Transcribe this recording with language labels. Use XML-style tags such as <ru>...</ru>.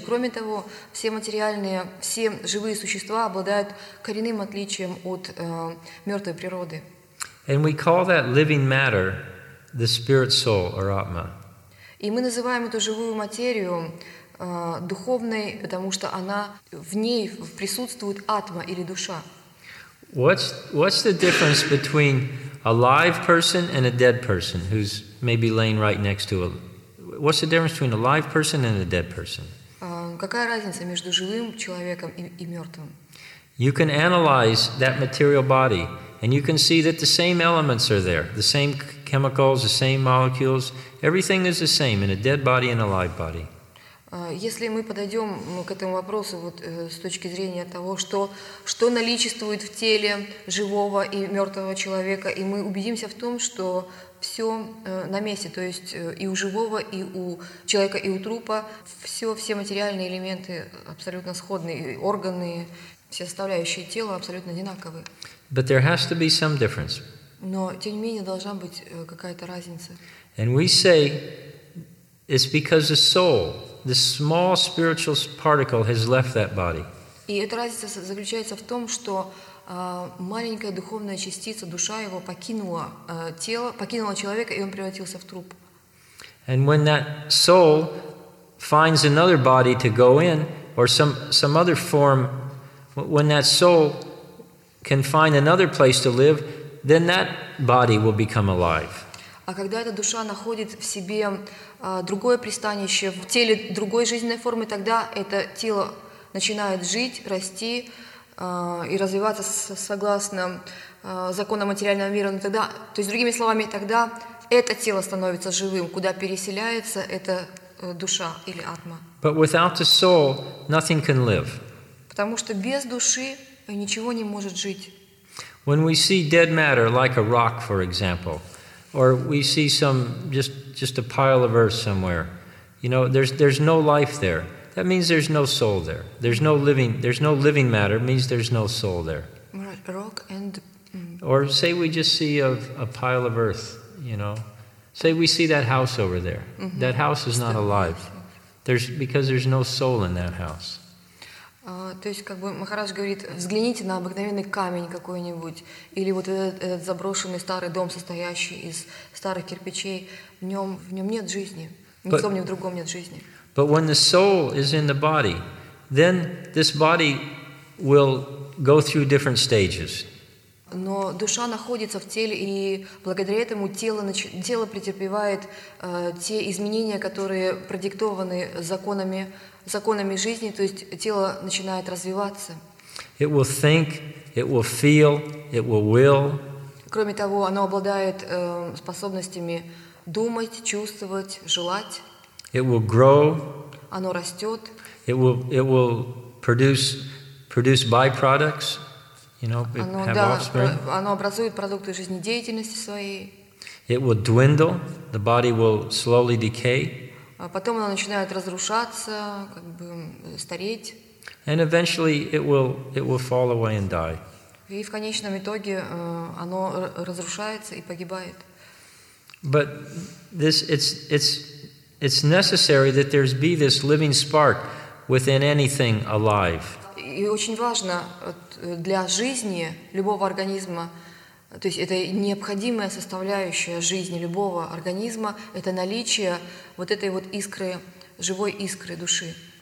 <ru>Кроме того, все материальные, все живые существа обладают коренным отличием от мертвой природы.</ru> <en>And we call that living matter the spirit soul or atma.</en> <ru>И мы называем эту живую материю духовной, потому что она в ней присутствует атма или душа.</ru> <en>What's the difference between a live person and a dead person who's maybe laying right next to a... What's the difference between a live person and a dead person?</en> <ru>Какая разница между живым человеком и мертвым?</ru> <en>You can analyze that material body and you can see that the same elements are there, the same chemicals, the same molecules. Everything is the same in a dead body and a live body.</en> <ru>Если мы подойдем к этому вопросу вот, с точки зрения того, что наличествует в теле живого и мертвого человека, и мы убедимся в том, что все на месте, то есть и у живого, и у человека, и у трупа, все материальные элементы абсолютно сходны, и органы, все составляющие тела абсолютно одинаковы.</ru> <en>But there has to be some difference.</en> <ru>Но, тем не менее, должна быть какая-то разница.</ru> <en>And we say it's because the soul... This small spiritual particle has left that body.</en> <ru>И эта разница заключается в том, что маленькая духовная частица, душа его покинула тело, покинула человека, и он превратился в труп.</ru> <en>And when that soul finds another body to go in, or some other form, when that soul can find another place to live, then that body will become alive.</en> <ru>А когда эта душа находит в себе другое пристанище, в теле другой жизненной формы, тогда это тело начинает жить, расти и развиваться согласно законам материального мира. То есть, другими словами, тогда это тело становится живым, куда переселяется эта душа или атма.</ru> <en>But without the soul, nothing can live.</en> <ru>Потому что без души ничего не может жить.</ru> <en>When we see dead matter, like a rock, for example, or we see some just a pile of earth somewhere, you know, there's no life there. That means there's no soul there. There's no living matter. It means there's no soul there. Rock and or say we just see a pile of earth, you know, Say we see that house over there. Mm-hmm. That house is not alive. There's because there's no soul in that house.</en> <ru>То есть, как бы Махарадж говорит, взгляните на обыкновенный камень какой-нибудь или вот этот заброшенный старый дом, состоящий из старых кирпичей. В нем нет жизни. Ни в том, ни в другом нет жизни.</ru> <en>But when the soul is in the body, then this body will go through different stages.</en> <ru>Но душа находится в теле, и благодаря этому тело претерпевает те изменения, которые продиктованы законами жизни, то есть тело начинает развиваться.</ru> <en>It will think, it will feel, it will will.</en> <ru>Кроме того, оно обладает способностями думать, чувствовать, желать.</ru> <en>It will grow.</en> <ru>Оно растет.</ru> <en>It will produce byproducts.</en> <ru>Оно образует продукты жизнедеятельности своей.</ru> <en>It will dwindle. The body will slowly decay.</en> <ru>Потом оно начинает разрушаться, как бы стареть.</ru> <en>And eventually it will fall away and die.</en> <ru>И в конечном итоге оно разрушается и погибает.</ru> <en>But this it's necessary that there be this living spark within anything alive.</en> <ru>И очень важно для жизни любого организма, то есть это необходимая составляющая жизни любого организма, это наличие вот этой вот искры, живой искры души.</ru>